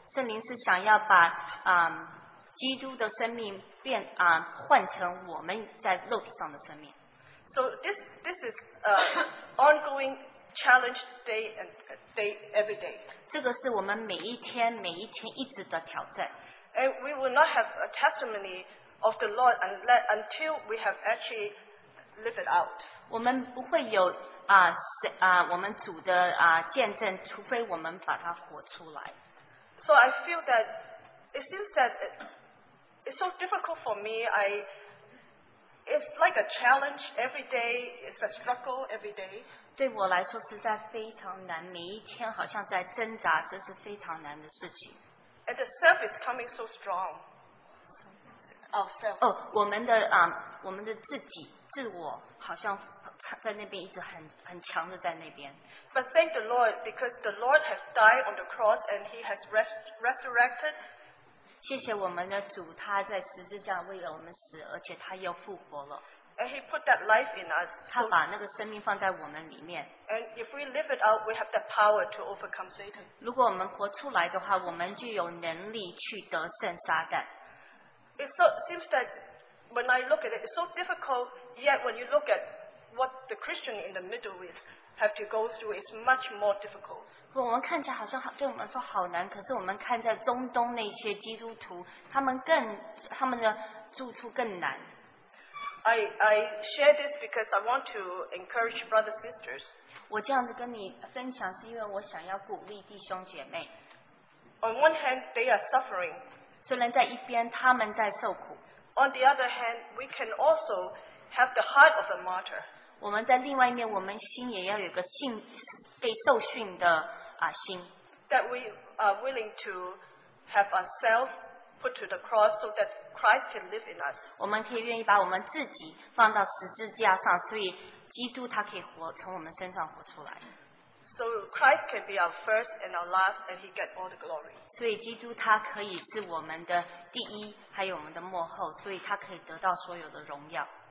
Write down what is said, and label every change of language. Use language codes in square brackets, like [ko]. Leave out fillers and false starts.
[zh] 圣灵是想要把基督的生命变换成我们在肉体上的生命。 [en] So this is ongoing challenge day and day every day. [zh] 这个是我们每一天每一天一直的挑战。 [en] And we will not have a testimony of the Lord until we have actually lived it out. [zh] 我们不会有我们主的见证，除非我们把它活出来。 [en] So I feel that it seems that it's so difficult for me. It's like a challenge every day. It's a struggle every day. [zh] 对我来说实在非常难，每一天好像在挣扎，这是非常难的事情。 [en] And the self is coming so strong. Our self. [zh] 我们的我们的自我好像在那边一直很强的在那边。 [en] But thank the Lord, because the Lord has died on the cross and He has resurrected. [zh] 谢谢我们的主，他在十字架为了我们死，而且他又复活了。 [en] And he put that life in us. [zh] 他把那个生命放在我们里面。 [en] And if we live it out, we have the power to overcome Satan. [zh] 如果我们活出来的话，我们就有能力去得胜撒旦。 [en] It seems that when I look at it, it's so difficult. Yet when you look at what the Christian in the Middle East have to go through, it's much more difficult. [zh] 我们看起来好像对我们说好难，可是我们看在中东那些基督徒，他们的住处更难。 [en] I share this because I want to encourage brothers and sisters. [zh] 我这样子跟你分享是因为我想要鼓励弟兄姐妹。 [en] On one hand, they are suffering. [zh] 虽然在一边他们在受苦。 [en] On the other hand, we can also have the heart of a martyr. [zh] 我们在另外一面，我们心也要有个信被受训的心。 [en] That we are willing to have ourselves put to the cross so that. Christ can live in us. [zh] 我们可以愿意把我们自己放到十字架上，所以基督他可以活从我们身上活出来。 [en] So Christ can be our first and our last, and He get all the glory. [zh] 所以基督他可以是我们的第一，还有我们的末后，所以他可以得到所有的荣耀。